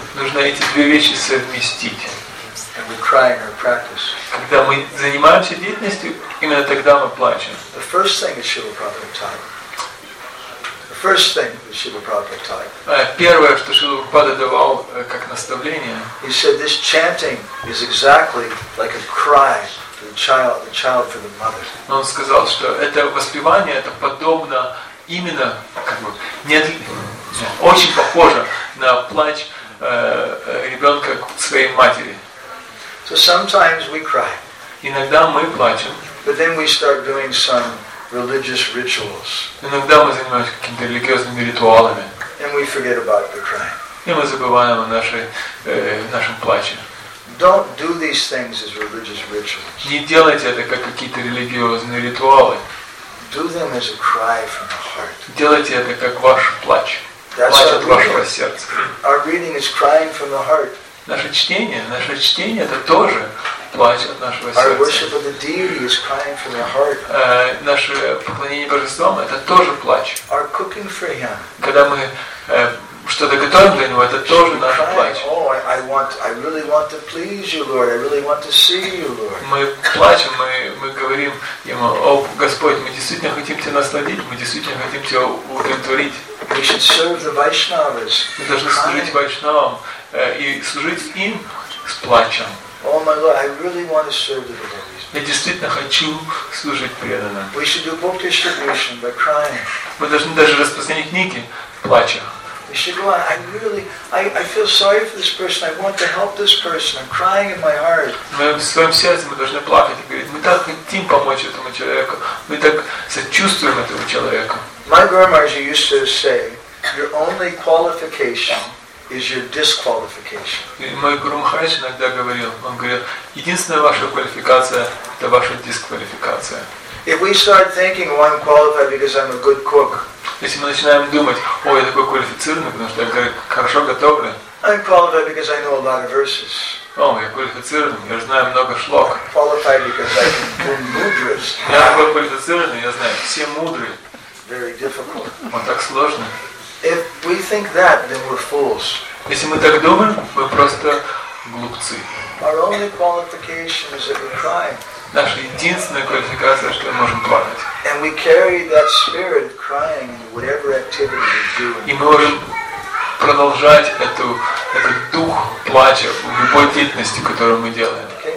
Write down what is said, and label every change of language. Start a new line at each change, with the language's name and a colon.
Russian: Нужно эти две вещи совместить.
English: And we cry in our practice.
Russian: Когда мы занимаемся деятельностью, именно тогда мы плачем.
English: The first thing that Srila Prabhupada taught. The first thing that Srila Prabhupada taught.
Russian: Первое, что Шрила Прабхупада давал как наставление.
English: He said this chanting is exactly like a cry for the child for the mother.
Russian: Он сказал, что это воспевание — это подобно именно как бы нет, очень похоже на плач ребенка к своей матери.
English: So sometimes we cry.
Russian: Иногда мы плачем.
English: But then we start doing some religious rituals.
Russian: Иногда мы занимаемся какими-то религиозными ритуалами.
English: And we forget about the cry.
Russian: И мы забываем о нашем плаче.
English: Don't do these things as religious rituals.
Russian: Не делайте это как какие-то религиозные ритуалы.
English: Do them as a cry from the heart.
Russian: Делайте это как ваш плач.
English: That's
Russian: плач от вашего сердца.
English: Our reading is crying from the heart.
Russian: Наше чтение это тоже плач от нашего сердца. Наше поклонение божествам — это тоже плач.
English: Our cooking for him.
Russian: Когда мы что-то готовим для него, это тоже наш плач. Мы плачем, мы говорим ему: о, Господь, мы действительно хотим тебя насладить, мы действительно хотим тебя удовлетворить.
English: We should serve the Vaishnavas.
Russian: Мы должны служить Вайшнавам и служить им с плачем.
English: Oh my God, I really want to serve the Vaishnavas.
Russian: Я действительно хочу служить преданно.
English: We should do book distribution by crying.
Russian: Мы должны даже распространять книги, плача.
English: We should go on. I feel sorry for this person. I want to help this person. I'm crying in my heart.
Russian: Мы в своем сердце мы должны плакать и говорить: мы так хотим помочь этому человеку. Мы так сочувствуем этому человеку.
English: My grandma used to say, "Your only qualification is your disqualification."
Russian: Мой гуру Махарадж иногда говорил, он говорил: единственная ваша квалификация — это ваша дисквалификация.
English: If we start thinking, well, I'm qualified because I'm a good cook.
Russian: Если мы начинаем думать: о, я такой квалифицированный, потому что я хорошо готовлю.
English: I'm qualified because I know a lot of verses.
Russian: О, я квалифицированный, я знаю много шлок.
English: I'm qualified because I can do mudras.
Russian: Я такой квалифицированный, я знаю все мудры.
English: Very difficult.
Russian: Вот так сложно.
English: If we think that, then we're fools.
Russian: Если мы так думаем, мы просто глупцы.
English: Our only qualification is that we're crying.
Russian: Наша единственная квалификация, что мы можем плакать.
English: And we carry that spirit of crying in whatever activity we're doing.
Russian: И мы можем продолжать этот дух плача в любой деятельности, которую мы делаем.